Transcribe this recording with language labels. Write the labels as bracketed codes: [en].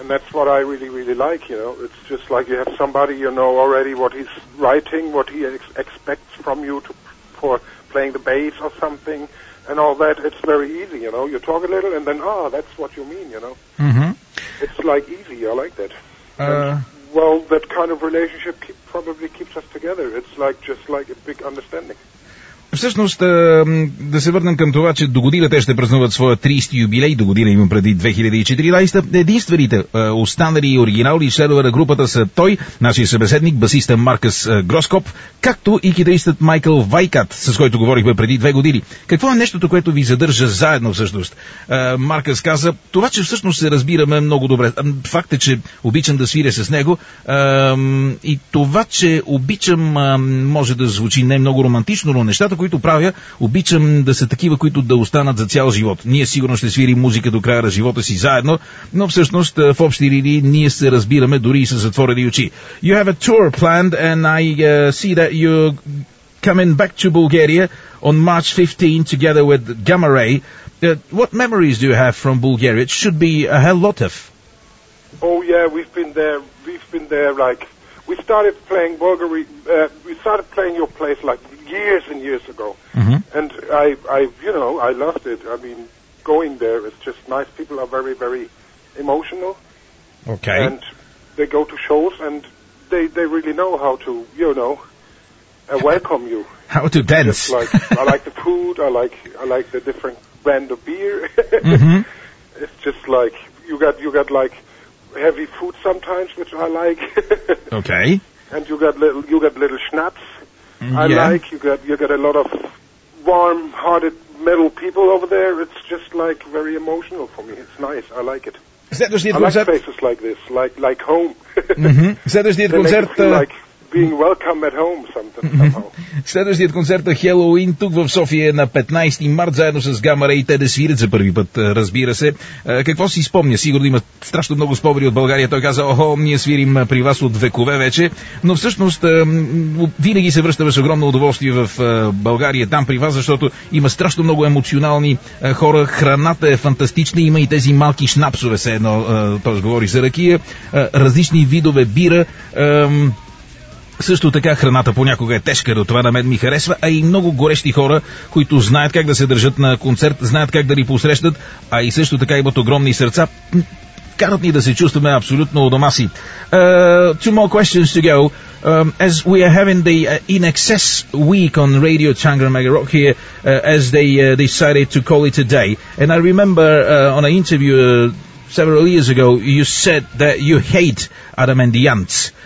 [en] And that's what I really, really like, you know. It's just like you have somebody, you know, already what he's writing, what he expects from you for playing the bass or something and all that. It's very easy, you know. You talk a little and then, that's what you mean, you know. Mm-hmm. It's like easy. I like that. That kind of relationship probably keeps us together. It's like just like a big understanding. [bg] Всъщност, да се върнем към това, че до година те ще празнуват своя 30-ти юбилей, до година имам преди 2014-та. Единствените останали оригинални членове на групата са той, нашия събеседник, басиста Маркъс Гроскоп, както и китаристът Майкъл Вайкат, с който говорихме преди 2 години. Какво е нещото, което ви задържа заедно всъщност? Маркъс каза, това, че всъщност се разбираме много добре. Факт е, че обичам да свиря с него и това, че обичам, може да звучи не много романтично, но неща, които правя, обичам да са такива, които да останат за цял живот. Ние сигурно ще свирим музика до края на живота си заедно, но всъщност в общи линии ние се разбираме дори и с затворени очи. [en] You have a tour planned and I see that you coming back to Bulgaria on March 15 together with Gamma Ray. What memories do you have from Bulgaria? It should be a hell lot of. Oh yeah, we've been there. We've been there. Like, we started playing Bulgari. We started playing your place like years and years ago. Mm-hmm. And I, you know, I loved it. I mean, going there is just nice. People are very, very emotional. Okay. And they go to shows and they really know how to, you know, welcome you. How to dance? Like, I like the food. I like the different brand of beer. Mm-hmm. It's just like you got like heavy food sometimes, which I like. Okay. And you got little schnapps. Yeah. I like. You got a lot of warm-hearted metal people over there. It's just like very emotional for me. It's nice. I like it. I like places like this, like home. Mm-hmm. That is the concert. Like being welcome at home, something somehow. [bg] Следващият концерт на Хелоуин тук в София е на 15 март, заедно с Гамма Рей. Те да свирят за първи път, разбира се. Какво си спомня? Сигурно има страшно много спомени от България. Той каза, охо, ние свирим при вас от векове вече. Но всъщност, винаги се връщаме с огромно удоволствие в България, там при вас, защото има страшно много емоционални хора. Храната е фантастична, има и тези малки шнапсове, все едно, т.е. говори за ракия. Различни видове бира. Също така храната понякога е тежка, до това на мен ми харесва, а и много горещи хора, които знаят как да се държат на концерт, знаят как да ни посрещат, а и също така имат огромни сърца, карат ни да се чувстваме абсолютно у дома си. [en] Two more questions to go. As we are having the In Excess week on Radio Changra Mega Rock here, as they decided to call it a day, and I remember on an interview several years ago, you said that you hate Adam and the Ants.